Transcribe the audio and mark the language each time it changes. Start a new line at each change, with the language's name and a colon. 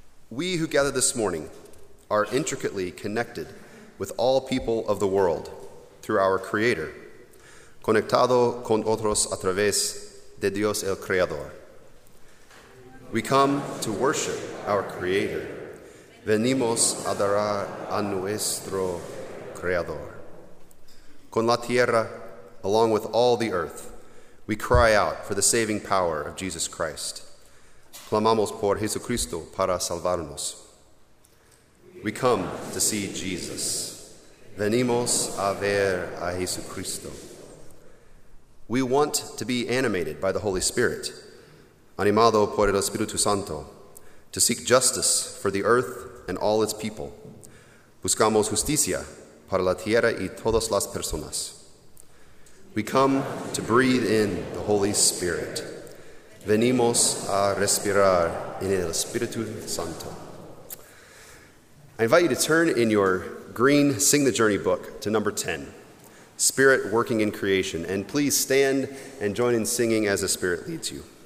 English: We who gather this morning are intricately connected with all people of the world through our Creator,
Spanish: conectado con otros a través de Dios el Creador.
English: We come to worship our Creator.
Spanish: Venimos a adorar a nuestro Creador. Con la tierra,
English: along with all the earth, we cry out for the saving power of Jesus Christ.
Spanish: Clamamos por Jesucristo para salvarnos.
English: We come to see Jesus.
Spanish: Venimos a ver a Jesucristo.
English: We want to be animated by the Holy Spirit,
Spanish: animado por el Espíritu Santo,
English: to seek justice for the earth and all its people.
Spanish: Buscamos justicia para la tierra y todas las personas.
English: We come to breathe in the Holy Spirit.
Spanish: Venimos a respirar en el Espíritu Santo.
English: I invite you to turn in your green Sing the Journey book to number 10, Spirit Working in Creation, and please stand and join in singing as the Spirit leads you.